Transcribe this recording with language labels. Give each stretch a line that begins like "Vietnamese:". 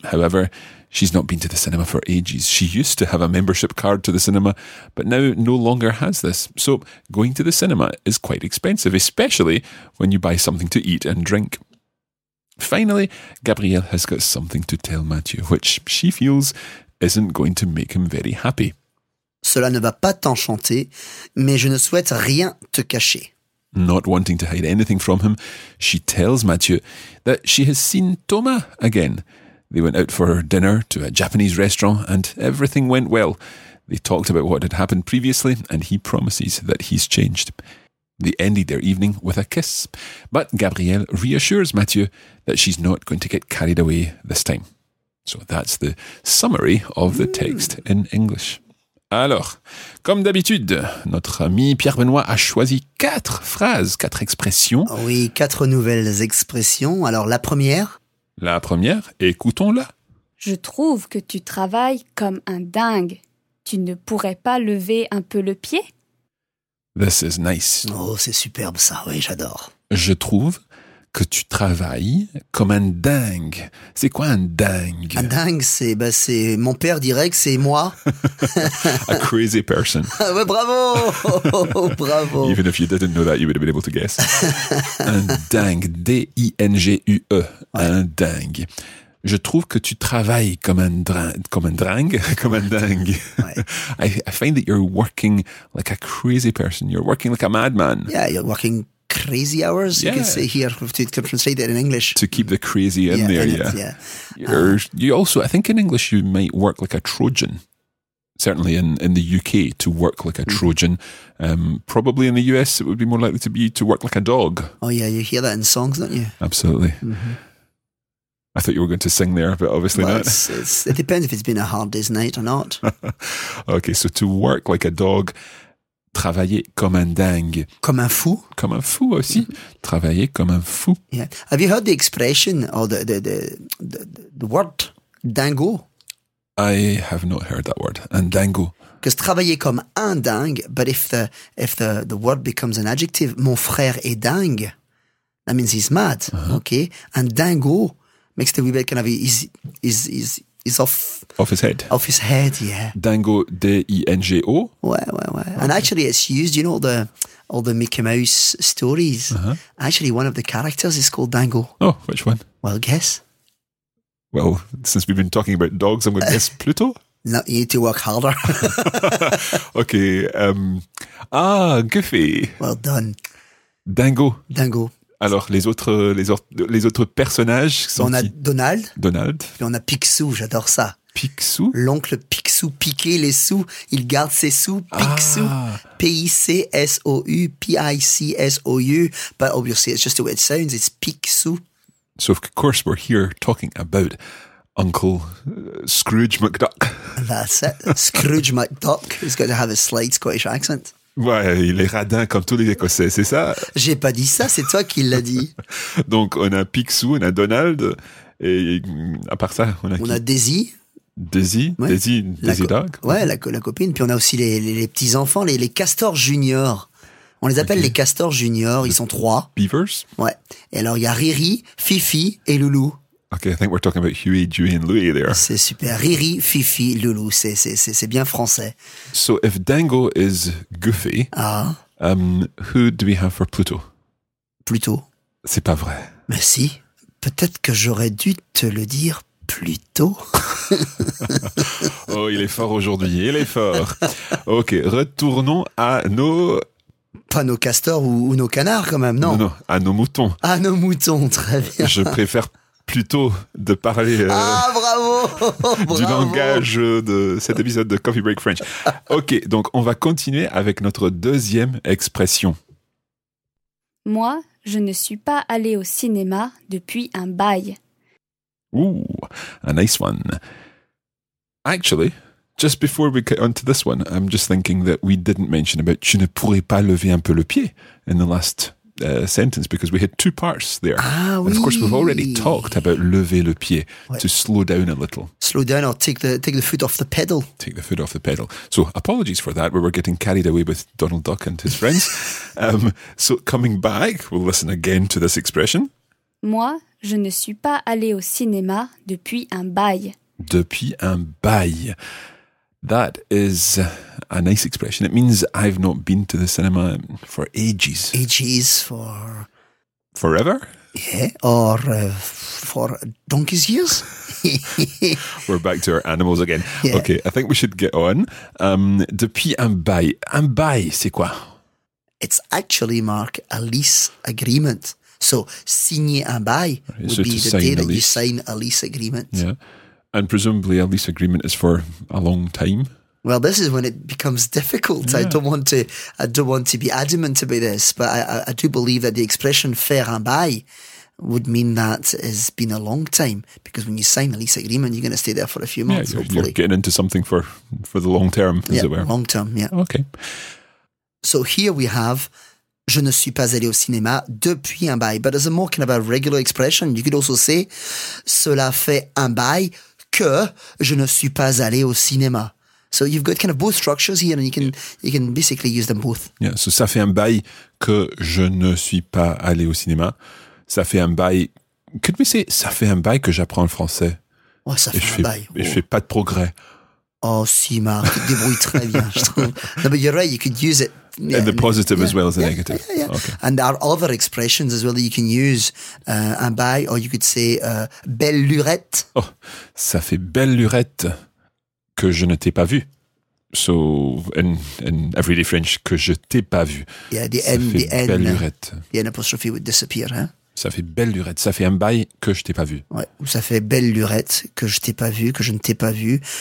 English: However, she's not been to the cinema for ages. She used to have a membership card to the cinema, but now no longer has this. So going to the cinema is quite expensive, especially when you buy something to eat and drink. Finally, Gabrielle has got something to tell Mathieu, which she feels isn't going to make him very happy.
French: Cela ne va pas t'enchanter, mais je ne souhaite rien te cacher.
English: Not wanting to hide anything from him, she tells Mathieu that she has seen Thomas again. They went out for dinner to a Japanese restaurant and everything went well. They talked about what had happened previously and he promises that he's changed. They ended their evening with a kiss, but Gabrielle reassures Mathieu that she's not going to get carried away this time. So that's the summary of the text in English.
French: Alors, comme d'habitude, notre ami Pierre Benoît a choisi quatre phrases, quatre expressions. Oui, quatre nouvelles expressions. Alors, la première. La première, écoutons-la. Je trouve que tu travailles comme un dingue. Tu ne pourrais pas lever un peu le pied?
English: This is nice.
French: Oh, c'est superbe ça, oui, j'adore. Je trouve que tu travailles comme un dingue. C'est quoi un dingue? Un dingue, c'est mon père dirait que c'est moi.
English: A crazy person.
French: Ouais, bravo! Bravo!
English: Even if you didn't know that, you would have been able to guess.
French: Un dingue, D-I-N-G-U-E, ouais. Un dingue. Je trouve que tu travailles comme un dingue. Ouais.
English: I find that you're working like a crazy person. You're working like a madman. Yeah, you're working crazy hours, yeah. You can say here, to translate it in English. To keep the crazy in yeah, there, in yeah. It, yeah. You also, I think in English you might work like a Trojan, certainly in the UK, to work like a Trojan. Probably in the US it would be more likely to be to work like a dog. Oh yeah, you hear that in songs, don't you? Absolutely. Mm-hmm. I thought you were going to sing there, but obviously well, not. It depends if it's been a hard day's night or not. Okay, so to work like a dog.
French: Travailler comme un dingue. Comme un fou. Comme un fou aussi. Mm-hmm. Travailler comme un fou.
English: Yeah. Have you heard the expression or the word dingo? I have not heard that word.
French: Un dingo.
English: Because
French: travailler comme un dingue,
English: but if the word becomes an adjective,
French: mon frère est dingue,
English: that means he's mad. Uh-huh. Okay. Un dingo makes the wee bit kind of is off. Off his head. Off his head, yeah. Dingo, D-I-N-G-O.
French: Ouais, ouais, ouais.
English: Okay. And actually it's used, you know, all the Mickey Mouse stories. Uh-huh. Actually, one of the characters is called Dingo. Oh, which one? Well, guess. Well, since we've been talking about dogs, I'm going to guess Pluto. No, you need to work harder. Okay. Goofy. Well done.
French: Dingo. Dingo. Alors, les autres personnages sont on a qui? Donald. Donald. Puis on a Picsou, j'adore ça. Picsou. L'oncle Picsou piquait les sous, il garde ses sous. Picsou. Ah. P-I-C-S-O-U, P-I-C-S-O-U.
English: But obviously, it's just the way it sounds, it's Picsou. So, of course, we're here talking about Uncle Scrooge McDuck. That's it. Scrooge McDuck is going to have a slight Scottish accent.
French: Ouais, il est radin comme tous les Écossais, c'est ça? J'ai pas dit ça, c'est toi qui l'as dit. Donc, on a Picsou, on a Donald, et à part ça, on a Daisy, Daisy, ouais. Daisy Duck. Ouais, la copine. Puis on a aussi les petits-enfants, les castors juniors. On les appelle les castors juniors, ils sont trois.
English: Beavers?
French: Ouais. Et alors, il y a Riri, Fifi et Loulou.
English: Ok, I think we're talking about Huey, Dewey and Louie there.
French: C'est super. Riri, Fifi, Loulou, c'est bien français.
English: So, if Dingo is Goofy, who do we have for Pluto?
French: Pluto. C'est pas vrai. Mais si, peut-être que j'aurais dû te le dire plus tôt. Oh, il est fort aujourd'hui, il est fort. Ok, retournons à nos... Pas nos castors ou nos canards quand même, non? Non, non, à nos moutons. À nos moutons, très bien. Je préfère plutôt de parler... Bravo! Du langage de cet épisode de Coffee Break French. Ok, donc on va continuer avec notre deuxième expression. Moi, je ne suis pas allé au cinéma depuis un bail.
English: Ooh, a nice one. Actually, just before we get onto this one, I'm just thinking that we didn't mention about
French: tu ne pourrais pas lever un peu le pied
English: in the last sentence because we had two parts there. Ah, and of course, we've already talked about
French: lever le pied,
English: to slow down a little. Slow down or take the foot off the pedal. Take the foot off the pedal. So apologies for that. We were getting carried away with Donald Duck and his friends. So coming back, we'll listen again to this expression.
French: Moi, je ne suis pas allé au cinéma depuis un bail. Depuis un bail.
English: That is a nice expression. It means I've not been to the cinema for ages. Ages for... Forever? Yeah, or for donkey's years. We're back to our animals again. Yeah. Okay, I think we should get on.
French: Depuis un bail. Un bail, c'est quoi?
English: It's actually, Mark, a lease agreement. So,
French: signer un bail
English: would be the day that you sign a lease agreement. Yeah. And presumably a lease agreement is for a long time. Well, this is when it becomes difficult. Yeah. I don't want to be adamant about this, but I do believe that the expression
French: faire un bail
English: would mean that it's been a long time, because when you sign a lease agreement, you're going to stay there for a few months, hopefully. You're getting into something for the long term, as it were. Yeah, long term, yeah. Okay. So here we have...
French: Je ne suis pas allé au cinéma depuis un bail.
English: But as a more kind of a regular expression, you could also say,
French: cela fait un bail que je ne suis pas allé au cinéma.
English: So you've got kind of both structures here, and you can basically use them both. Yeah, so
French: ça fait un bail que je ne suis pas allé au cinéma. Ça fait un bail...
English: Could we say,
French: ça fait un bail que j'apprends le français? Oh, ça fait un bail. Et je fais pas de progrès. Oh, si, Marc, tu te débrouilles très bien, je trouve.
English: No, but you're right, you could use it. Yeah, and the positive as well as the negative. Yeah, yeah, yeah. Okay. And there are other expressions as well that you can use. Un bail, or you could say belle lurette.
French: Oh, ça fait belle lurette que je ne t'ai pas vu.
English: So, in everyday French,
French: que je t'ai pas vu.
English: Yeah, the N apostrophe would disappear.
French: Hein? Ça fait belle lurette. Ça fait un bail que je t'ai pas vu. Ouais, ou ça fait belle lurette que je t'ai pas vu, que je ne t'ai pas vu.